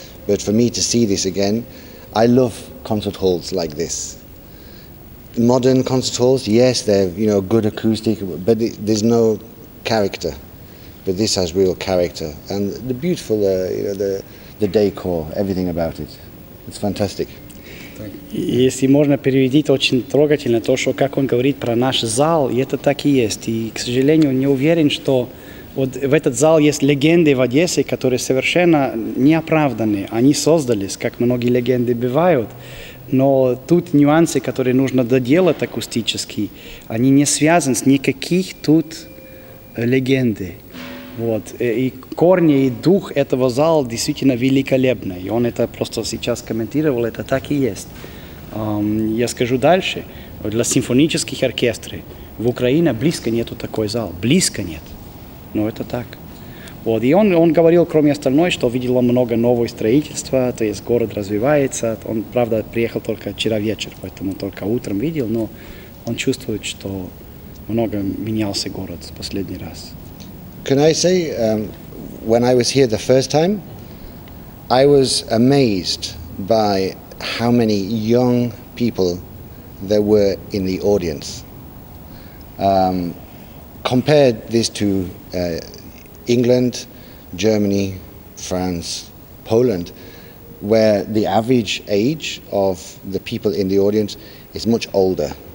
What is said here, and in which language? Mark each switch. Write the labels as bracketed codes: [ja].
[en] But for me to see this again, I love concert halls like this. Modern concert halls, yes, they're good acoustic, but there's no character. But this has real character and the beautiful the decor, everything about it. It's fantastic. [ru] Если можно перевести, очень трогательно то, что как он говорит про наш зал, и это так и есть. И, к сожалению, не уверен, что вот в этот зал есть легенды в Одессе, которые совершенно неоправданы. Они создались, как многие легенды бывают. Но тут нюансы, которые нужно доделать акустически, они не связаны с никаких тут легенды. Вот. И корни, и дух этого зала действительно великолепны. И он это просто сейчас комментировал, это так и есть. Я скажу дальше. Для симфонических оркестров в Украине близко нету такой зал. Близко нет. Но это так. Вот. И он говорил, кроме остального, что видел много нового строительства, то есть город развивается. Он, правда, приехал только вчера вечер, поэтому только утром видел, но он чувствует, что много менялся город в последний раз. [en] Can I say, when I was here the first time, I was amazed by how many young people there were in the audience. Compared this to England, Germany, France, Poland, where the average age of the people in the audience is much older.